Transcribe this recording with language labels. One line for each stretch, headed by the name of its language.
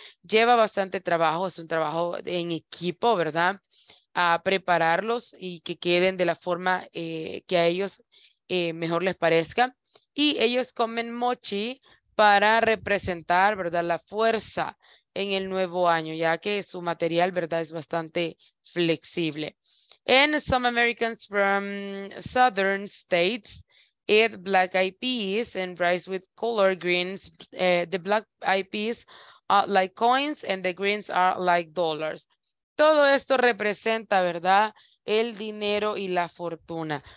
Spanish: Lleva bastante trabajo, es un trabajo en equipo, ¿verdad?, a prepararlos y que queden de la forma que a ellos mejor les parezca. Y ellos comen mochi para representar, ¿verdad?, la fuerza en el nuevo año, ya que su material, ¿verdad?, es bastante flexible.
English: And some Americans from southern states eat black-eyed peas and rice with color greens. The black-eyed peas are like coins and the greens are like dollars.
Spanish: Todo esto representa, ¿verdad?, el dinero y la fortuna.